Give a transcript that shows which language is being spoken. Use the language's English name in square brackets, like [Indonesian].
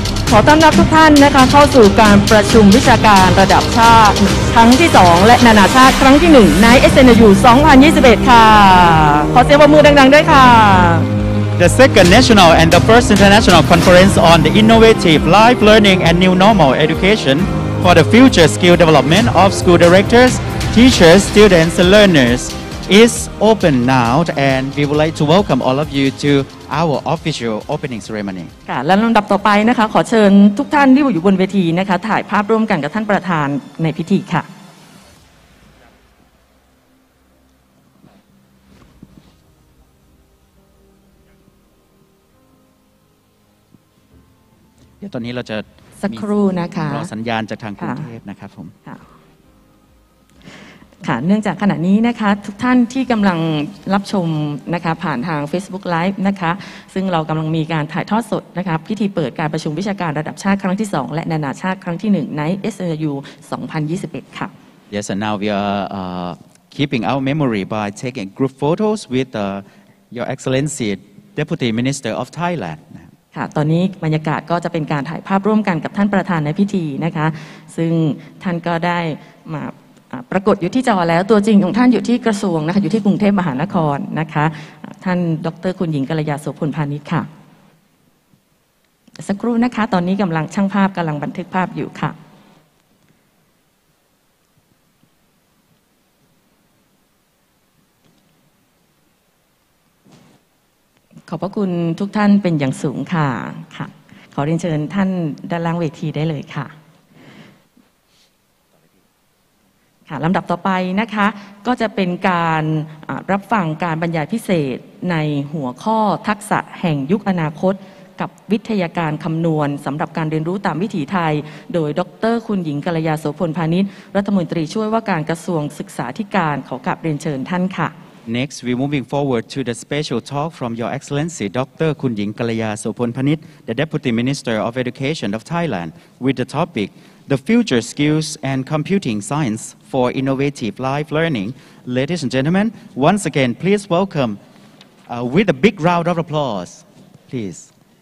[Thai] ขอต้อนรับทุกท่านนะคะเข้าสู่การประชุมวิชาการระดับชาติครั้งที่2และนานาชาติครั้งที่1ใน SNU 2021ค่ะขอเสียงปรบมือดังๆด้วยค่ะ [English] The second national and the first international conference on the innovative life learning and new normal education for the future skill development of school directors, teachers, students and learners is open now and we would like to welcome all of you to our official opening ceremony. [Thai] ค่ะและลำดับต่อไปนะคะขอเชิญทุกท่านที่อยู่บนเวทีนะคะถ่ายภาพร่วมกันกับท่านประธานในพิธีค่ะ เดี๋ยวตอนนี้เราจะ สักครู่นะคะ รอสัญญาณจากทางกรุงเทพนะครับผม ค่ะเนื่องจากขณะนี้นะคะทุกท่านที่กำลังรับชมนะคะผ่านทาง Facebook Live นะคะซึ่งเรากำลังมีการถ่ายทอดสดนะคะพิธีเปิดการประชุมวิชาการระดับชาติครั้งที่2และนานาชาติครั้งที่1ใน SNU 2021ค่ะ [English] Yes, and now we are keeping our memory by taking group photos with Your Excellency Deputy Minister of Thailand. [Thai] ค่ะตอนนี้บรรยากาศก็จะเป็นการถ่ายภาพร่วมกันกับท่านประธานในพิธีนะคะซึ่งท่านก็ได้มาปรากฏอยู่ที่จอแล้วตัวจริงของท่านอยู่ที่กระทรวงนะคะอยู่ที่กรุงเทพมหานครนะคะท่านดร. คุณหญิงกัลยาโสพลพานิชค่ะสักครู่นะคะตอนนี้กำลังช่างภาพกำลังบันทึกภาพอยู่ค่ะ ขอบพระคุณทุกท่านเป็นอย่างสูงค่ะค่ะขอเรียนเชิญท่านด้านล่างเวทีได้เลยค่ะค่ะลำดับต่อไปนะคะก็จะเป็นการรับฟังการบรรยายพิเศษในหัวข้อทักษะแห่งยุคอนาคตกับวิทยาการคำนวณสำหรับการเรียนรู้ตามวิถีไทยโดยดร. คุณหญิงกัลยาโสพลพานิชรัฐมนตรีช่วยว่าการกระทรวงศึกษาธิการขอกราบเรียนเชิญท่านค่ะ [English] Next, we're moving forward to the special talk from Your Excellency Dr. Kunying Kalaya Sopon Panit, the Deputy Minister of Education of Thailand, with the topic, The Future Skills and Computing Science for Innovative Life Learning. Ladies and gentlemen, once again, please welcome, with a big round of applause, please.